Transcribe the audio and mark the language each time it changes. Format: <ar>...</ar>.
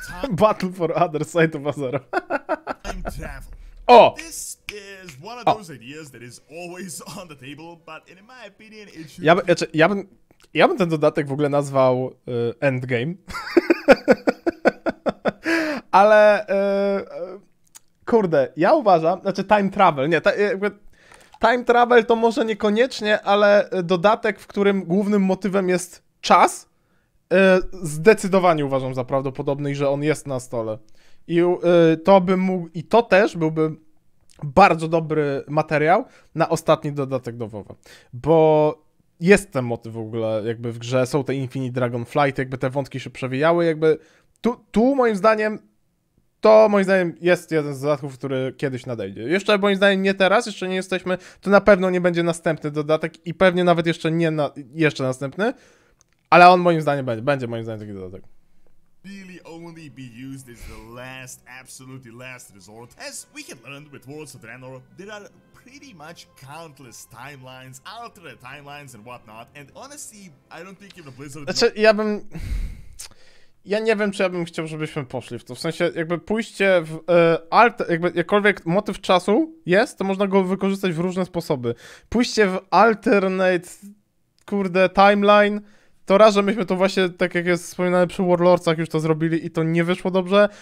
<en>Battle for other side of Azeroth. O! This is one of those ideas that is always on the table, but in my opinion it should...</en> <pl>Ja bym ten dodatek w ogóle nazwał Endgame. Ale kurde, ja uważam, znaczy Time Travel, nie, jakby Time Travel to może niekoniecznie, ale dodatek, w którym głównym motywem jest czas, zdecydowanie uważam za prawdopodobny i że on jest na stole. I to bym mógł, i to też byłby bardzo dobry materiał na ostatni dodatek do WoWa. Bo jest ten motyw w ogóle jakby w grze, są te Infinite Dragonflight, jakby te wątki się przewijały, jakby tu moim zdaniem, to moim zdaniem jest jeden z dodatków, który kiedyś nadejdzie. Jeszcze moim zdaniem nie teraz, jeszcze nie jesteśmy, to na pewno nie będzie następny dodatek i pewnie nawet jeszcze nie na, jeszcze następny, ale on moim zdaniem będzie moim zdaniem taki dodatek.</pl> <en>Really only be used as the last, absolutely last resort. As we have learned with Worlds of Draenor, there are pretty much countless timelines, alternate timelines and whatnot. And honestly, I don't think even Blizzard...</en> <pl>Znaczy, ja bym... Ja nie wiem, czy ja bym chciał, żebyśmy poszli w to. W sensie, jakby pójście w jakkolwiek motyw czasu jest, to można go wykorzystać w różne sposoby. Pójście w alternate, kurde, timeline... To raz, że myśmy to właśnie, tak jak jest wspominane przy Warlordsach, już to zrobili i to nie wyszło dobrze.</pl>